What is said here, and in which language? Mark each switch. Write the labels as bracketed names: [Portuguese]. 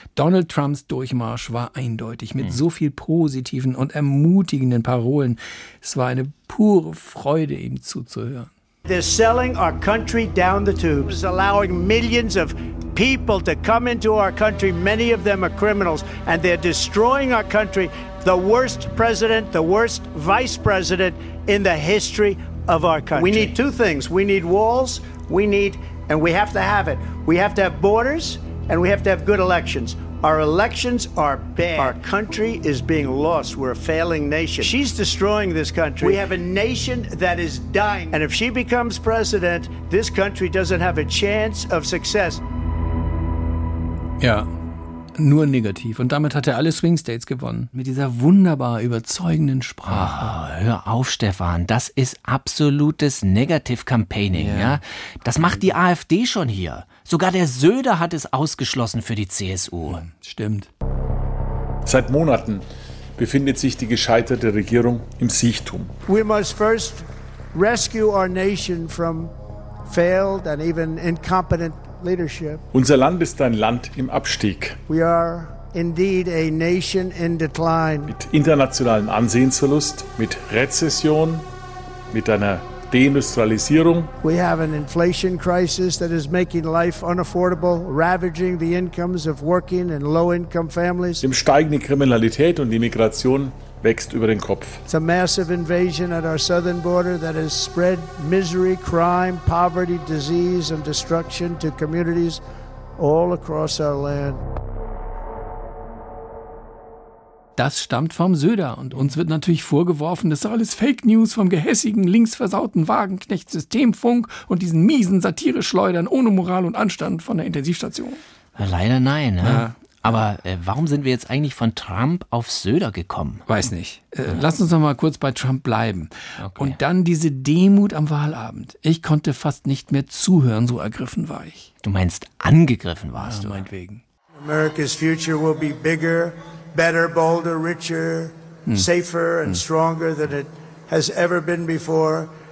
[German] Donald Trumps Durchmarsch war eindeutig mit so viel positiven und ermutigenden Parolen. Es war eine pure Freude, ihm zuzuhören. [English] They're selling our country down the tubes, allowing millions of people to come into our country. Many of them are criminals and they're destroying our country. The worst president, the worst vice president in the history of our country. We need two things. We need walls. We need And we have to have it. We have to have borders and we have to have good elections. Our elections are bad. Our country is being lost. We're a failing nation. She's destroying this country. We have a nation that is dying. And if she becomes president, this country doesn't have a chance of success. [German] Ja, nur negativ. Und damit hat er alle Swing States gewonnen. Mit dieser wunderbar überzeugenden Sprache. Oh. Hör auf, Stefan, das ist absolutes Negative-Campaigning. Yeah. Ja? Das macht die AfD schon hier. Sogar der Söder hat es ausgeschlossen für die CSU. Stimmt. Seit Monaten befindet sich die gescheiterte Regierung im Siechtum. [English] We must first rescue our nation from failed and even incompetent leadership. [German] Unser Land ist ein Land im Abstieg. [English] We are indeed a nation in decline. [German] Mit internationalem Ansehensverlust, mit Rezession, mit einer Deindustrialisierung. [English] We have an inflation crisis that is making life unaffordable, ravaging the incomes of working and low-income families. [German] Dem steigende Kriminalität und die Migration wächst über den Kopf. [English] It's a massive invasion at our southern border that has spread misery, crime, poverty, disease and destruction to communities all across our land. [German] Das stammt vom Söder und uns wird natürlich vorgeworfen, das sei alles Fake News vom gehässigen, linksversauten Wagenknecht Systemfunk und diesen miesen Satire-Schleudern ohne Moral und Anstand von der Intensivstation. Leider nein. Ne? Ja. Aber warum sind wir jetzt eigentlich von Trump auf Söder gekommen? Weiß nicht. Lass uns noch mal kurz bei Trump bleiben. Okay. Und dann diese Demut am Wahlabend. Ich konnte fast nicht mehr zuhören, so ergriffen war ich. Du meinst angegriffen warst du? Ja, meinetwegen. [English] America's future will be bigger. Better, bolder, richer, safer and stronger than it has ever been before.